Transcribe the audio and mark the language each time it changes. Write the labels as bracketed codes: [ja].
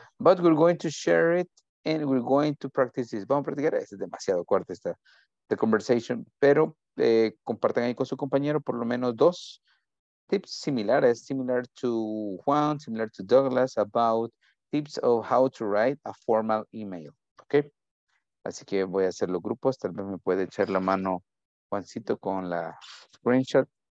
[en] But we're going to share it and we're going to practice this. [es] Vamos a practicar. Es demasiado corta esta [en] the conversation. [es] Pero compartan ahí con su compañero por lo menos dos tips similares. [en] Similar to Juan, similar to Douglas, about tips of how to write a formal email. [es] Okay. Así que voy a hacer los grupos. Tal vez me puede echar la mano Juancito con la screenshot.